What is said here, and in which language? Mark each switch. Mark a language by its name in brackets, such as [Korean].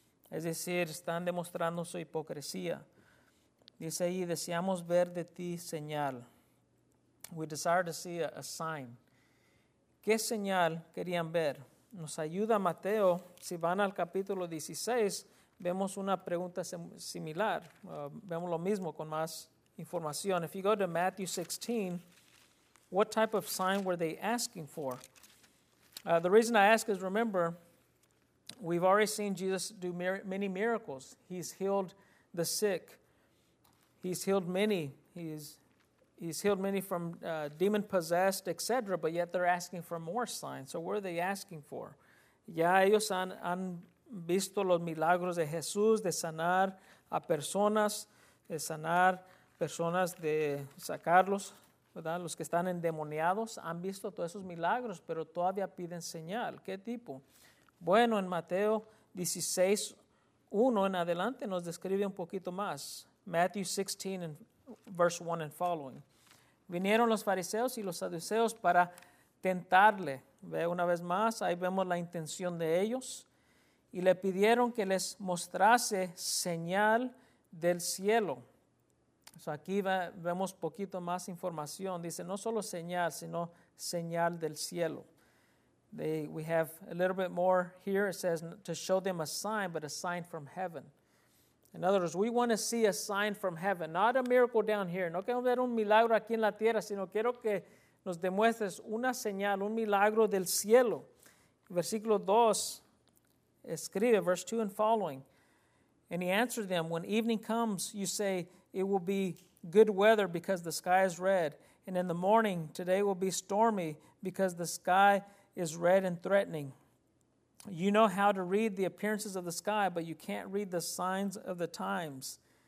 [Spanish] Es decir, están demostrando su hipocresía. Dice ahí, deseamos ver de ti señal. [English] We desire to see a sign. [Spanish] ¿Qué señal querían ver? Nos ayuda Mateo. Si van al capítulo 16, vemos una pregunta similar. Vemos lo mismo con más información. [English] If you go to Matthew 16, what type of sign were they asking for? The reason I ask is, remember, we've already seen Jesus do many miracles. He's healed the sick. He's healed many. He's healed many from demon-possessed, etc., but yet they're asking for more signs. So what are they asking for? [Spanish] Ya ellos han visto los milagros de Jesús, de sanar a personas, de sanar personas, de sacarlos, ¿verdad? Los que están endemoniados han visto todos esos milagros, pero todavía piden señal. ¿Qué tipo? Bueno, en Mateo 16, 1 en adelante nos describe un poquito más. [English] Matthew 16, and verse 1 and following. [Spanish] Vinieron los fariseos y los saduceos para tentarle. Ve una vez más, ahí vemos la intención de ellos. Y le pidieron que les mostrase señal del cielo. So aquí vemos poquito más información. Dice, no solo señal, sino señal del cielo. [English] We have a little bit more here. It says, to show them a sign, but a sign from heaven. In other words, we want to see a sign from heaven, not a miracle down here. [Spanish] No queremos ver un milagro aquí en la tierra, sino quiero que nos demuestres una señal, un milagro del cielo. Versículo 2, escribe, [English] verse 2 and following. And he answered them, when evening comes, you say, it will be good weather because the sky is red. And in the morning, today will be stormy because the sky is red and threatening. You know how to read the appearances of the sky, but you can't read the signs of the times.